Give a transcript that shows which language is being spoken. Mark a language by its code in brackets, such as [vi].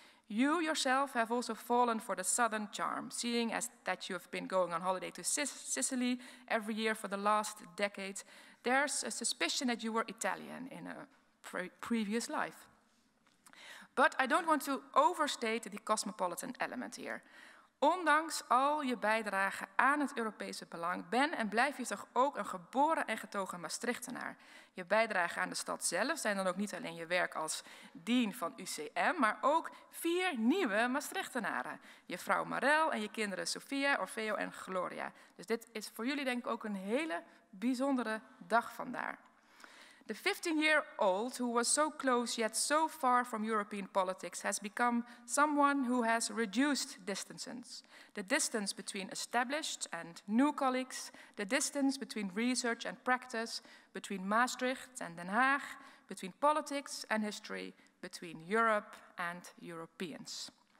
[en] You yourself have also fallen for the southern charm, seeing as that you have been going on holiday to Sicily every year for the last decade. There's a suspicion that you were Italian in a previous life. But I don't want to overstate the cosmopolitan element here. [nl] Ondanks al je bijdrage aan het Europese belang, ben en blijf je toch ook een geboren en getogen Maastrichtenaar. Je bijdrage aan de stad zelf zijn dan ook niet alleen je werk als dean van UCM, maar ook 4 nieuwe Maastrichtenaren. Je vrouw Marel en je kinderen Sophia, Orfeo en Gloria. Dus dit is voor jullie denk ik ook een hele bijzondere dag vandaag. [en] The 15-year-old who was so close yet so far from European politics has become someone who has reduced distances. The distance between established and new colleagues, the distance between research and practice, between Maastricht and Den Haag, between politics and history, between Europe and Europeans.